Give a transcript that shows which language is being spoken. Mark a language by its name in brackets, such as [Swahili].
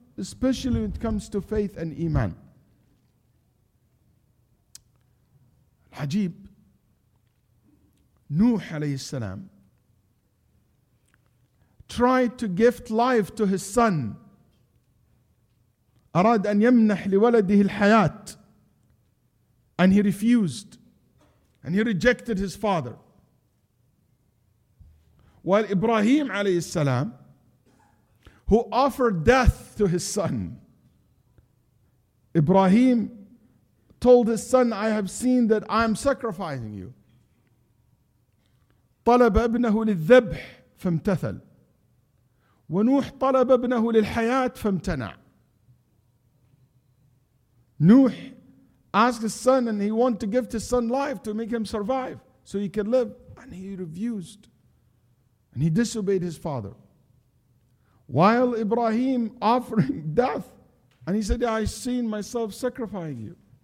[English] Especially when it comes to faith and iman. Al-Hajib, Nuh alayhi salam tried to gift life to his son. [Arabic] أراد أن يمنح لولده الحياة. [English] And he refused. And he rejected his father. While Ibrahim alayhi salam, who offered death to his son, Ibrahim told his son, I have seen that I am sacrificing you. [Arabic] طلب ابنه للذبح فامتثل ونوح طلب ابنه للحياة فامتنع. [English] Nuh asked his son, and he wanted to give his son life to make him survive so he could live. And he refused. And he disobeyed his father. While Ibrahim offering death, and he said, yeah, I've seen myself sacrificing you.